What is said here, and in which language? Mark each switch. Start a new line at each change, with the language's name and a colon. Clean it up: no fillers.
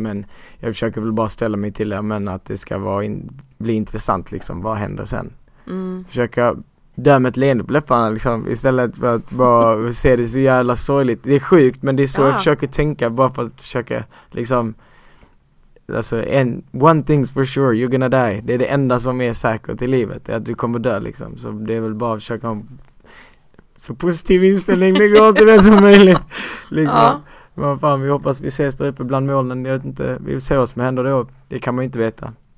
Swedish: Men jag försöker väl bara ställa mig till det, men att det ska vara bli intressant liksom, vad händer sen? Mm. Försöka dö med ett leende på läpparna liksom, istället för att bara se det så jävla sorgligt. Det är sjukt, men det är så jag försöker tänka, bara för att försöka liksom. Alltså,
English: one thing's for sure, you're gonna die.
Swedish: Det är det enda som är säkert i livet, är att du kommer dö liksom. Så det är väl bara att försöka så positiv inställning det går till det som möjligt liksom. Ja. Men fan, vi hoppas vi ses där uppe bland molnen. Jag vet inte, vi ser vad som händer då. Det kan man ju inte veta.